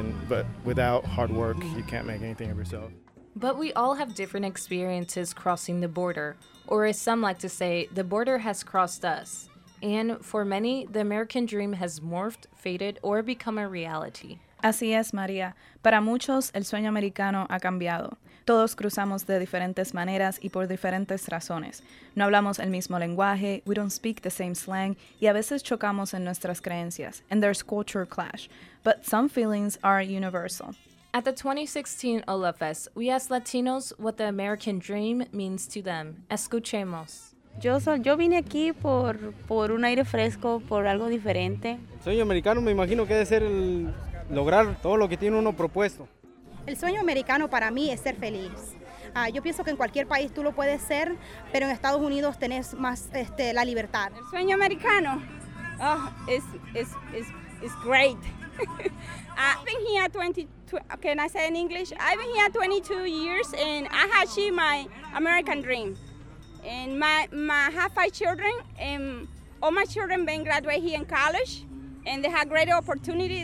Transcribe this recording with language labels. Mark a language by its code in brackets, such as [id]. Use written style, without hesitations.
[en] But without hard work, you can't make anything of yourself. But we all have different experiences crossing the border. Or as some like to say, the border has crossed us. And for many, the American dream has morphed, faded, or become a reality. [es] Así es, María. Para muchos, el sueño americano ha cambiado. Todos cruzamos de diferentes maneras y por diferentes razones. No hablamos el mismo lenguaje, [en] we don't speak the same slang, [es] y a veces chocamos en nuestras creencias, [en] and there's culture clash. But some feelings are universal. At the 2016 OLAFES, we asked Latinos what the American dream means to them. [es] Escuchemos. Yo vine aquí por un aire fresco, por algo diferente. El sueño americano me imagino que debe ser el lograr todo lo que tiene uno propuesto. El sueño americano para mí es ser feliz. Yo pienso que en cualquier país tú lo puedes ser, pero en Estados Unidos tenés más la libertad. El sueño americano es great. [en] I've been here 22, can I say in English? I've been here 22 years and I have achieved my American dream. And my have five children, and all my children been graduated here in college, and they have great opportunity.